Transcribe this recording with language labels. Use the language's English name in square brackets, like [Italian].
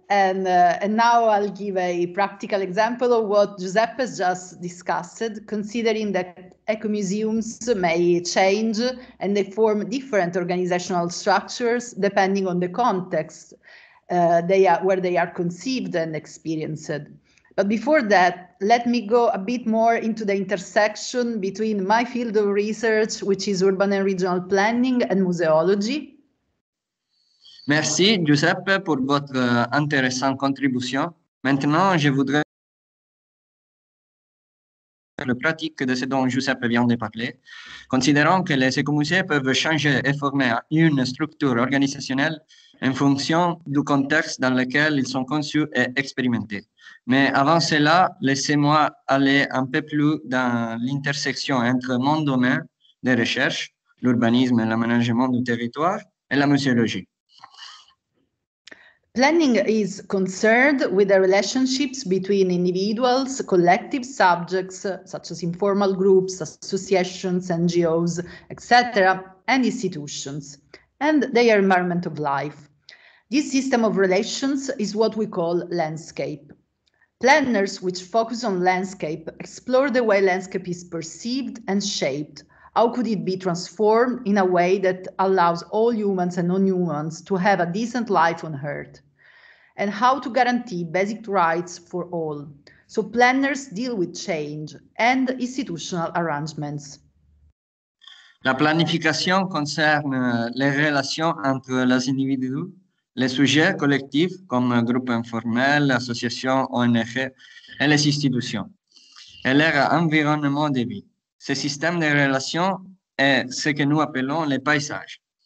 [English] And now I'll give a practical example of what Giuseppe has just discussed, considering that ecomuseums may change and they form different organizational structures depending on the context where they are conceived and experienced. But before that, let me go a bit more into the intersection between my field of research, which is urban and regional planning, and museology. [French] Merci, Giuseppe, pour votre intéressante contribution. Maintenant, je voudrais faire la pratique de ce dont Giuseppe vient de parler. Considérant que les écomusées peuvent changer et former une structure organisationnelle en fonction du contexte dans lequel ils sont conçus et expérimentés. Mais avant cela, laissez-moi aller un peu plus dans l'intersection entre mon domaine de recherche, l'urbanisme et l'aménagement du territoire, et la muséologie. [English] Planning is concerned with the relationships between individuals, collective subjects, such as informal groups, associations, NGOs, etc., and institutions, and their environment of life. This system of relations is what we call landscape. Planners which focus on landscape explore the way landscape is perceived and shaped. How could it be transformed in a way that allows all humans and non-humans to have a decent life on Earth? and how to guarantee basic rights for all. So planners deal with change and institutional arrangements. [French] La planification concerne les relations entre les individus, les sujets collectifs comme groupes informels, associations, ONG et les institutions, et leur environnement de vie. Ce système de relations est ce que nous appelons les paysages.